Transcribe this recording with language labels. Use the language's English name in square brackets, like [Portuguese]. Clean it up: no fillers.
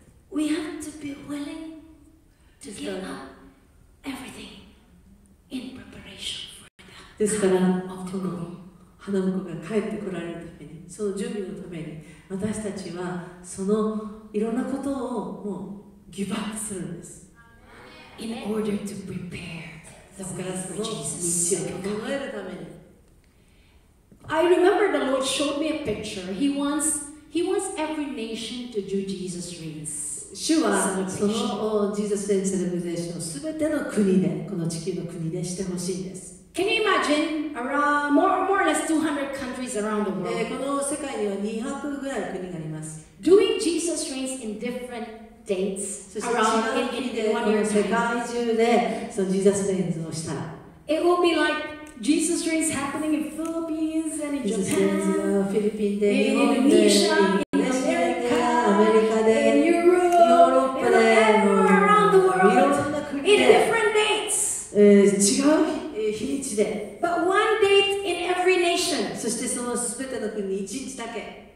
[English] We have to be willing to give up everything in preparation for the coming of the [Japanese] ですから、この花婿が帰ってこられるために、その準備のために、私たちはそのいろんなことをもうギブアップするんです。 [English] In order to prepare the way for Jesus to come. I remember the Lord showed me a picture. He wants every nation to do Jesus reigns. [Japanese] 主はその Jesus reigns celebration をすべての国でこの地球の国でしてほしいです。 [English] Can you imagine around more or less 200 countries around the world? [Japanese] この世界には200ぐらいの国があります。 [English] Doing Jesus reigns in different dates around in one year. [Japanese] 世界中でその Jesus reigns をしたら、 [English] It will be likeJesus reigns happening in Philippines and in Japan, Philippines, in Indonesia, in America, America in Europe, Europe and everywhere around the world, in different dates. [Japanese] 違う日にちで [English] But one date in every nation. [Japanese] そしてそのすべての国に一日だけ